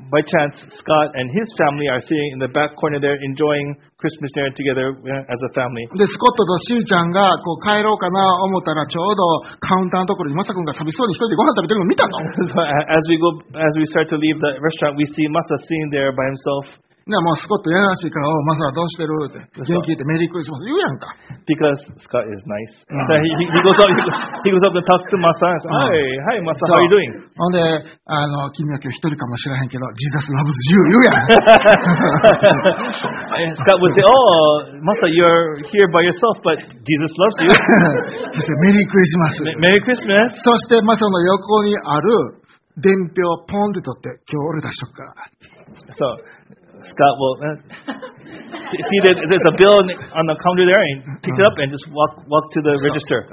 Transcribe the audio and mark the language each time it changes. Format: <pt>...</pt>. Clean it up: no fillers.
<en>By chance, Scott and his family are sitting in the back corner there enjoying Christmas dinner together as a family.</en> <ja>で、スコットとシーちゃんがこう帰ろうかな思ったらちょうどカウンターのところにマサ君が寂しそうに一人でご飯食べてるの見たの。</ja> <en>So, as we start to leave the restaurant, we see Masa sitting there by himself.</en> <ja>でもスコットやらしいからマサはどうしてるって元気でメリークリスマス言うやんか。</ja> <en>Because Scott is nice. he goes up and talks to Masa. Hi, Masa, how are you doing?</en> <ja>ほんで君は今日一人かもしれへんけど、</ja> <en>Jesus loves you</en> <ja>言うやん。</ja> <en>Scott would say, Oh, Masa, you're here by yourself, but Jesus loves you.</en> <ja>そしてメリークリスマス。</ja> <en>Merry Christmas.</en> <ja>そしてマサの横にある伝票ポンって取って、今日俺出しとくから。</ja> <en>So,Scott will see that there's a bill on the counter there and pick it up and just walk to the register.</en>